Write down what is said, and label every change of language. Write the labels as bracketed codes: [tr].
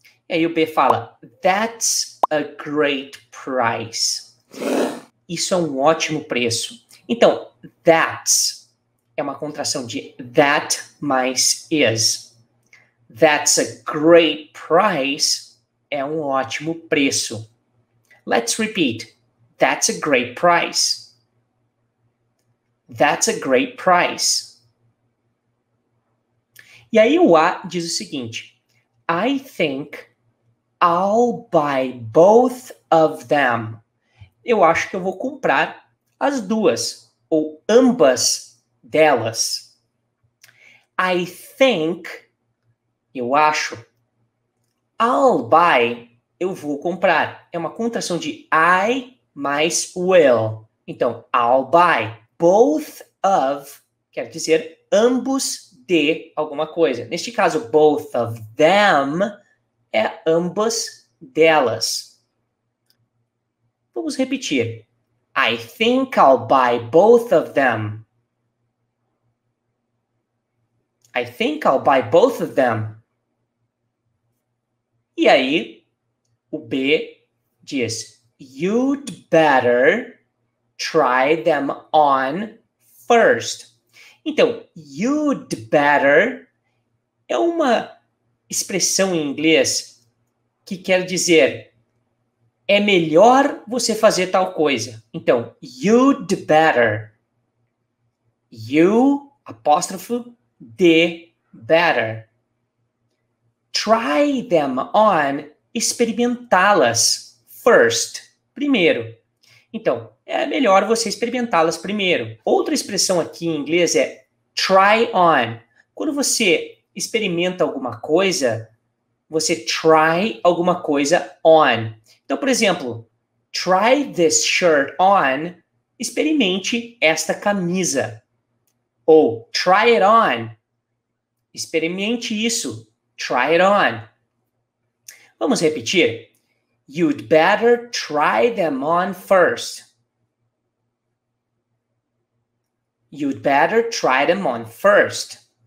[pt] E aí o B fala, [en] that's a great price. [pt] Isso é um ótimo preço. Então, that's é uma contração de that mais is. [en] That's a great price [pt] é um ótimo preço. [en] Let's repeat. That's a great price. That's a great price. [pt] E aí o A diz o seguinte, [en] I think I'll buy both of them. [pt] Eu acho que eu vou comprar as duas, ou ambas delas. [en] I think, [pt] eu acho, [en] I'll buy, [pt] eu vou comprar. É uma contração de I mais will. Então, [en] I'll buy both of, [pt] quer dizer, ambos de alguma coisa. Neste caso, [en] both of them [pt] é ambas delas. Vamos repetir. [en] I think I'll buy both of them. I think I'll buy both of them. [pt] E aí, o B diz, [en] you'd better try them on first. [pt] Então, [en] you'd better [pt] é uma expressão em inglês que quer dizer é melhor você fazer tal coisa. Então, you'd better. You, apóstrofo, de better. [en] Try them on, [pt] experimentá-las first, primeiro. Então, é melhor você experimentá-las primeiro. Outra expressão aqui em inglês é try on. Quando você experimenta alguma coisa, você try alguma coisa on. Então, por exemplo, [en] try this shirt on, [pt] experimente esta camisa. Ou [en] try it on, [pt] experimente isso, try it on. Vamos repetir. [en] You'd better try them on first. You'd better try them on first.